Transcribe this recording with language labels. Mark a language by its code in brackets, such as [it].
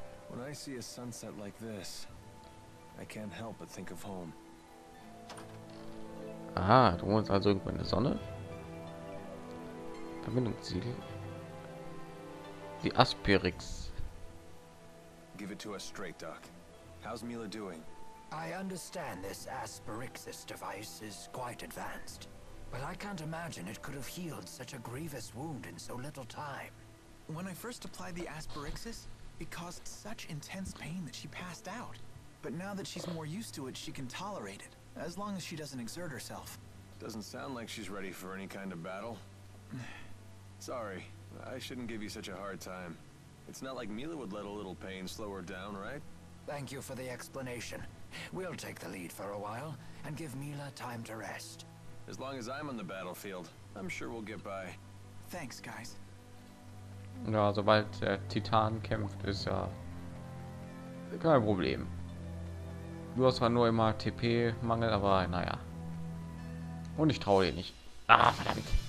[en] When I see a sunset like this, I can't help but think of home. [de] Aha, du wohnst also irgendwo in der Sonne? Verbindungssiegel. Die Aspirix. [en] Give it to us straight, Doc. How's Mila doing? I understand this Aspirixis device is quite advanced, but I can't imagine it could have healed such a grievous wound in so little time. When I first applied the Aspirixis, It caused such intense pain that she passed out. But now that she's more used to it, she can tolerate it, as long as she doesn't exert herself. Doesn't sound like she's ready for any kind of battle. Sorry, I shouldn't give you such a hard time. It's not like Mila would let a little pain slow her down, right? Thank you for the explanation. We'll take the lead for a while and give Mila time to rest. As long as I'm on the battlefield, I'm sure we'll get by. Thanks, guys. [de] Ja, sobald der Titan kämpft, ist ja kein Problem. Du hast zwar nur immer TP-Mangel, aber naja. Und ich traue dir nicht. Ah, verdammt.